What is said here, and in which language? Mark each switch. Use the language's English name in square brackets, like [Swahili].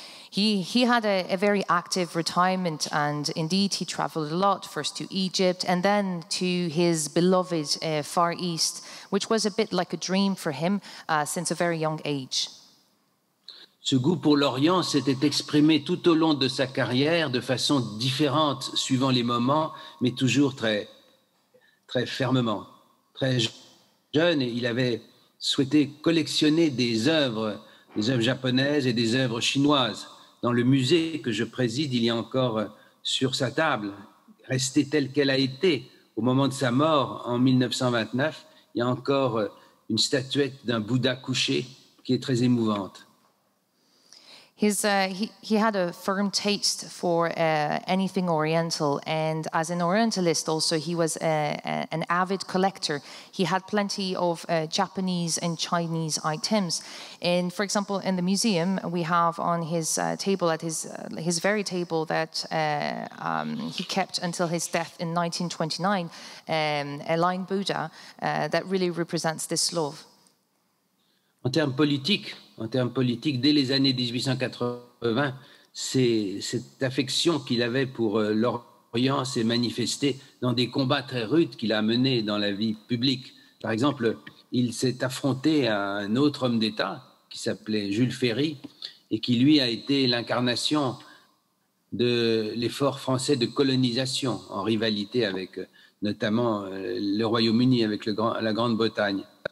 [English] He had a very active retirement, and indeed he traveled a lot, first to Egypt and then to his beloved Far East, which was a bit like a dream for him since a very young age. [French] Ce goût pour l'Orient s'était exprimé tout au long de sa carrière de façon différente suivant les moments, mais toujours très, très fermement. Très jeune, il avait souhaité collectionner des œuvres japonaises et des œuvres chinoises. Dans le musée que je préside, il y a encore sur sa table restée telle qu'elle a été au moment de sa mort en 1929. Il y a encore une statuette d'un Bouddha couché qui est très émouvante. [English] He had a firm taste for anything oriental, and as an orientalist also, he was an avid collector. He had plenty of Japanese and Chinese items. And for example, in the museum, we have on his table, at his very table that he kept until his death in 1929, a line Buddha that really represents this love. [French] En termes politiques, dès les années 1880, cette affection qu'il avait pour l'Orient s'est manifestée dans des combats très rudes qu'il a menés dans la vie publique. Par exemple, il s'est affronté à un autre homme d'État qui s'appelait Jules Ferry et qui, lui, a été l'incarnation de l'effort français de colonisation en rivalité avec notamment le Royaume-Uni, avec la Grande-Bretagne.